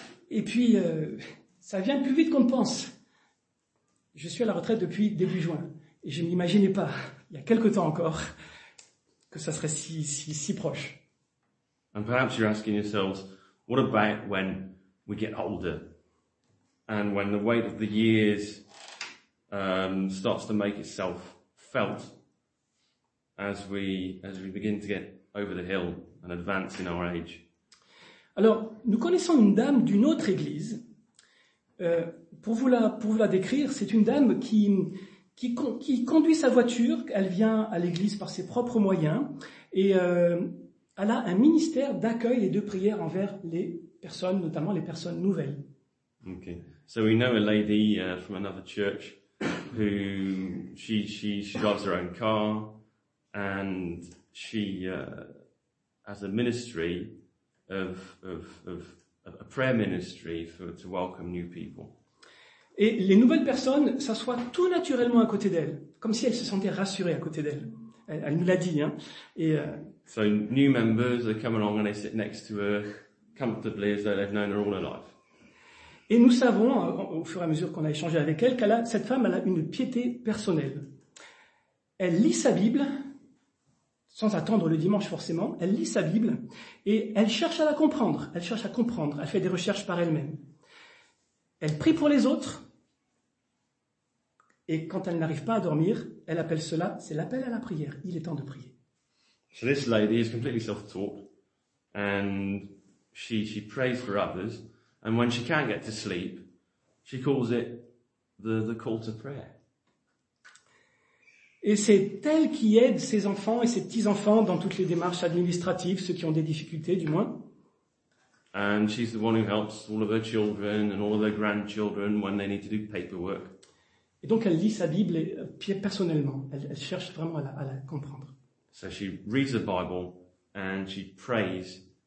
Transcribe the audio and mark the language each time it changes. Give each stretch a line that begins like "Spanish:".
French: Et puis, ça vient plus vite qu'on ne pense. Je suis à la retraite depuis début juin. Et je ne m'imaginais pas, il y a quelque temps encore, que ça serait si proche.
English: And perhaps you're asking yourselves, what about when we get older? And when the weight of the years starts to make itself felt as we begin to get over the hill and advance in our age.
French: Alors, nous connaissons une dame d'une autre église. Pour vous la décrire, c'est une dame qui conduit sa voiture. Elle vient à l'église par ses propres moyens et elle a un ministère d'accueil et de prière envers les personnes, notamment les personnes nouvelles.
English: Okay, so we know a lady from another church. Who she drives her own car, and she has a ministry of a prayer ministry to welcome new people.
French: Et les nouvelles personnes s'assoient tout naturellement à côté d'elle, comme si elle se sentait rassurée à côté d'elle. Elle nous l'a dit, hein. Et
English: so new members they come along and they sit next to her comfortably as though they've known her all her life.
French: Et nous savons, au fur et à mesure qu'on a échangé avec elle, cette femme a une piété personnelle. Elle lit sa Bible, sans attendre le dimanche forcément, elle lit sa Bible, et elle cherche à la comprendre, elle fait des recherches par elle-même. Elle prie pour les autres, et quand elle n'arrive pas à dormir, elle appelle cela, c'est l'appel à la prière, il est temps de prier.
English: So this lady is completely self-taught, and she prays for others. And when she can't get to sleep, she calls it the call to prayer.
French: Et c'est elle qui aide ses enfants et ses petits-enfants dans toutes les démarches administratives, ceux qui ont des difficultés, du moins.
English: And she's the one who helps all of her children and all of her grandchildren when they need to do paperwork.
French: Et donc elle lit sa Bible personnellement. Elle cherche vraiment à la comprendre.
English: So she reads the Bible and she prays.